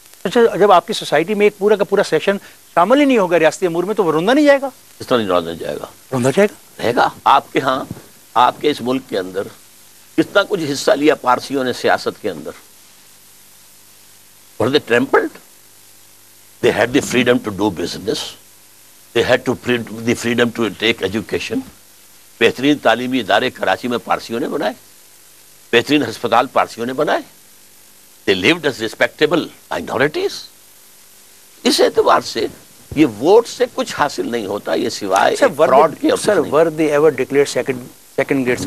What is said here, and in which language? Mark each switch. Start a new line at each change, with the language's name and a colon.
Urdu: اچھا جب آپ کی سوسائٹی میں ایک پورا کا پورا سیشن شامل ہی نہیں ہوگا ریاستی امور میں تو وہ روندا نہیں جائے گا؟ اس طرح نہیں روندا جائے گا, روندا جائے گا, رہے گا. آپ کے ہاں, آپ کے اس ملک کے اندر کتنا کچھ حصہ لیا پارسیوں نے سیاست کے اندر,
English: were they trampled? They had the freedom to do business, they had to the freedom to take education.
Urdu: بہترین تعلیمی ادارے کراچی میں پارسیوں نے بنائے, بہترین ہسپتال پارسیوں نے بنائے.
English: They lived as respectable minorities.
Urdu: اس اعتبار سے یہ ووٹ سے کچھ حاصل نہیں ہوتا, یہ سوائے فراڈ کے.
English: Sir were they ever declare second grade?